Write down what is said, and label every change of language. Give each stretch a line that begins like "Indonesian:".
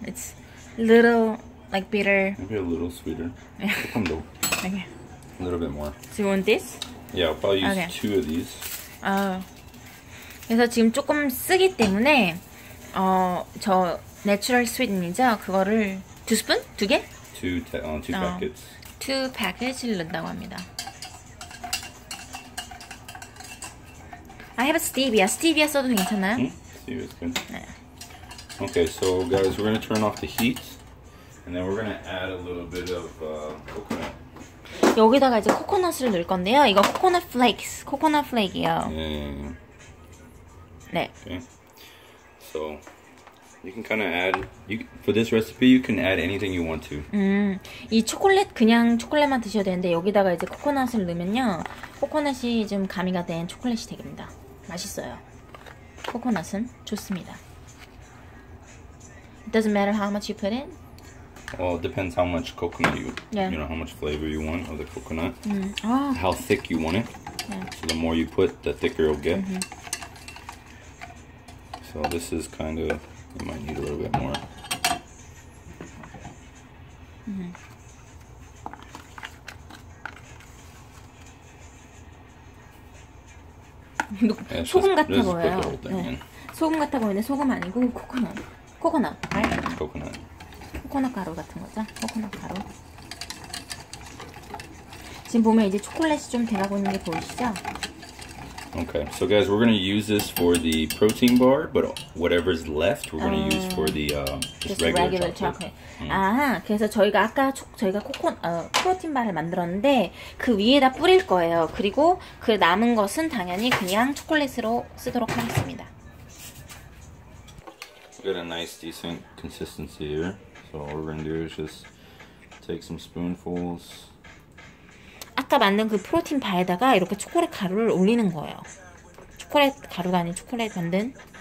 English: It's a little, like, bitter. Maybe a little sweeter. Yeah. Okay. A little bit more. Do you want this? Yeah, I'll probably use okay. two of these. Oh.
Korean: 그래서 지금 조금 쓰기 때문에 저 내추럴 스윗이죠. 그거를 두 스푼? 두 개?
English: Two packets. Two packets
Korean: 를 넣는다고 합니다.
English: I have a stevia. Stevia
Korean: 써도 괜찮아요?
English: Stevia is good. 네. Okay, so guys, we're gonna turn off the heat, and then we're gonna add a little bit of coconut.
Korean: 여기다가 이제 코코넛을 넣을 건데요. 이거 코코넛 플레이크스, 코코넛 플레이크예요. 네.
English: Okay. So you can kind of add you for this recipe you can add anything you want to.
Korean: 이 초콜릿 그냥 초콜릿만 드셔도 되는데 여기다가 이제 코코넛을 넣으면요. 코코넛이 좀 가미가 된 초콜릿이 됩니다. 맛있어요. 코코넛은 좋습니다.
English: It doesn't matter how much you put in. Well, it depends how much coconut you yeah. you know how much flavor you want of the coconut. How thick you want it. Yeah. So the more you put, the thicker it'll get. Mm-hmm. So this is kind of, you might need a little bit more.
Korean: Mm-hmm. 소금 같아 보여요. 네. 소금 같아 보이는데 소금 아니고 코코넛. 코코넛. 코코넛. 코코넛 가루 같은 거죠? 코코넛 가루. 지금 보면 이제 초콜릿이 좀 돼가고 있는 게 보이시죠?
English: Okay, so guys, we're gonna use this for the protein bar, but whatever's left, we're gonna use for the just regular chocolate.
Korean: 아, 그래서 저희가 아까 저희가 프로틴 바를 만들었는데 그 위에다 뿌릴 거예요. 그리고 그 남은 것은 당연히 그냥 초콜릿으로 쓰도록 하겠습니다.
English: We got a nice, decent consistency here. So all we're gonna do is just take some spoonfuls.
Korean: 아까 만든 그 프로틴 바에다가 이렇게 초콜릿 가루를 올리는 거예요. 초콜릿 가루가 아닌 초콜릿 만든.